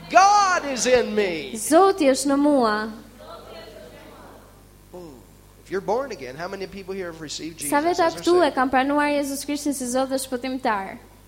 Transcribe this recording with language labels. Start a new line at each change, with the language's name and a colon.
English: God is in me.
Albanian: Zoti është në mua.
English: If you're born again, how many people here have received Jesus?
Albanian: Sa veta këtu e kanë pranuar Jezus Krishtin si Zot dhe Shpëtimtar?